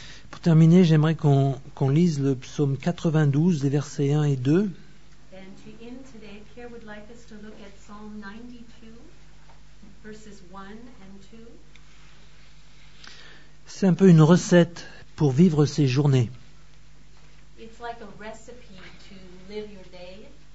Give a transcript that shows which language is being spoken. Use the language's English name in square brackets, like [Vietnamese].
[French] Pour terminer, j'aimerais qu'on lise le psaume 92, les versets 1 et 2. [English] And to end today, Pierre would like us to look at Psalm 92, verses 1 and 2. [French] C'est un peu une recette pour vivre ses journées. [English] It's like a recipe to live your day.